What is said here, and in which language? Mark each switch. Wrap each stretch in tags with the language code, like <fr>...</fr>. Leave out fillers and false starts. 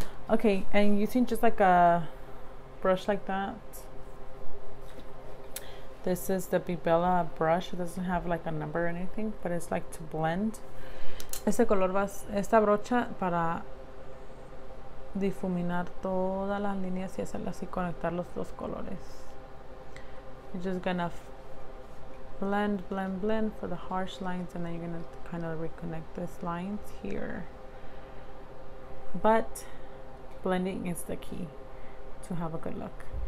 <en>Okay, and using just like a brush like that. This is the Bibella brush. It doesn't have like a number or anything, but it's like to blend.</en> <es>Este color va, esta brocha para difuminar todas las líneas y hacerlas y conectar los dos colores.</es> <en>You're just gonna blend for the harsh lines, and then you're gonna kind of reconnect these lines here. But blending is the key to have a good look.</en>